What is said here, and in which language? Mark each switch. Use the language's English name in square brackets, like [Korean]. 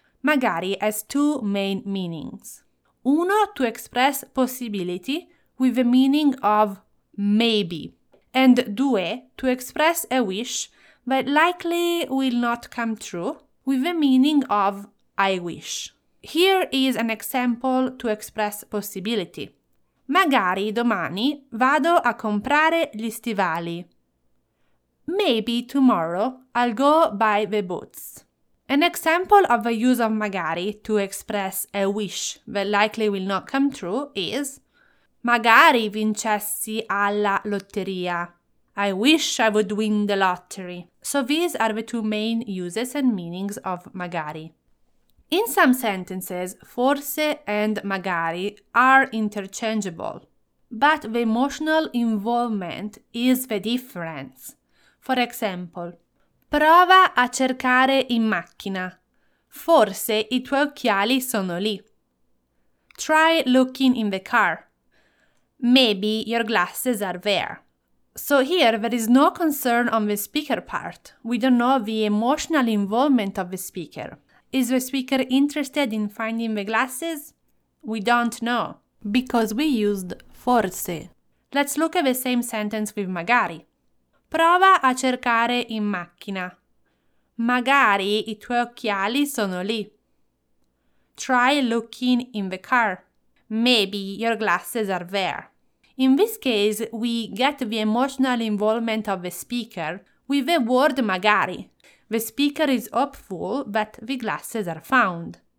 [English] Magari has two main meanings. Uno, to express possibility with the meaning of maybe, and due, to express a wish that likely will not come true with the meaning of I wish. Here is an example to express possibility. [Italian] Magari domani vado a comprare gli stivali. [English] Maybe tomorrow I'll go buy the boots. An example of the use of magari to express a wish that likely will not come true is [Italian] magari vincessi alla lotteria. [English] I wish I would win the lottery. So these are the two main uses and meanings of magari. In some sentences, forse and magari are interchangeable, but the emotional involvement is the difference. For example, [Italian] prova a cercare in macchina. Forse i tuoi occhiali sono lì. [English] Try looking in the car. Maybe your glasses are there. So here there is no concern on the speaker part. We don't know the emotional involvement of the speaker. Is the speaker interested in finding the glasses? We don't know, because we used forse. Let's look at the same sentence with magari. [Italian] Prova a cercare in macchina. Magari i tuoi occhiali sono lì. [English] Try looking in the car. Maybe your glasses are there. In this case, we get the emotional involvement of the speaker with the word magari. The speaker is hopeful that the glasses are found.